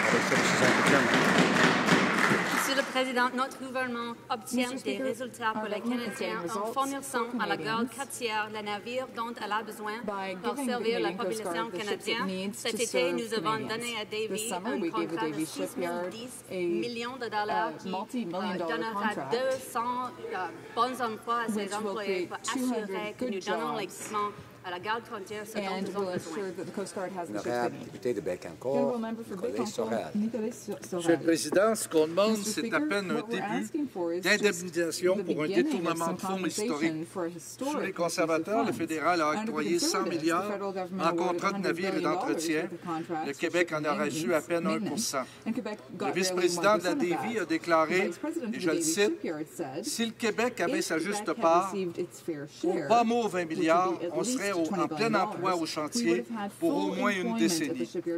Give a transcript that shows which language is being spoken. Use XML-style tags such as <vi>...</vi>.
<fr>Monsieur le Président, notre gouvernement obtient des résultats pour les Canadiens en fournissant à la Garde côtière le navire dont elle a besoin pour servir la population canadienne. Cet été, nous avons donné à Davis un contrat de 6 000 millions de dollars qui donnera 200 bons emplois à ses employés pour assurer que nous donnons l'équipement</fr> <en>and will assure that the Coast Guard has the ships they need. Honourable member for Bécancour,</en> <fr>Monsieur le Président, ce qu'on demande, c'est à peine un début d'indemnisation pour un détournement de fonds historique. Sous les conservateurs, le fédéral a octroyé 100 milliards en contrats de navires et d'entretien. Le Québec en a reçu à peine 1 %. Le vice-président de la DV a déclaré, et je le cite, « Si le Québec avait sa juste part, au bas mot 20 milliards, on serait en plein emploi au chantier pour au moins une décennie.</fr>